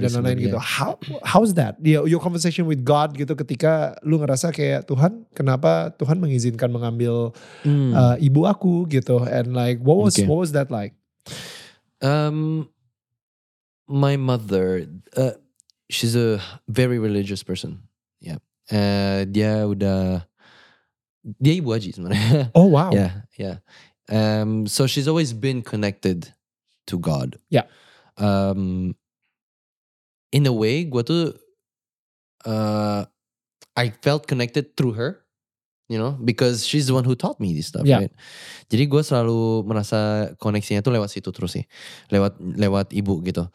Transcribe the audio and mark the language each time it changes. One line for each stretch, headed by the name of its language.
Indonesian: dan lain-lain gitu.
English: How's that your conversation with God
Indonesian: gitu ketika lu ngerasa kayak Tuhan kenapa Tuhan mengizinkan mengambil ibu aku gitu
English: and like what was that like? My mother she's a very religious person.
Indonesian: Dia udah dia ibu haji sebenarnya.
English: Oh wow. Yeah. So she's always been connected to God. Yeah. In a way,
Indonesian: gua tuh
English: I felt connected through her, you know, because she's the one who taught me this stuff, yeah. Right?
Indonesian: Jadi gue selalu merasa koneksinya tuh lewat situ terus sih, lewat ibu gitu.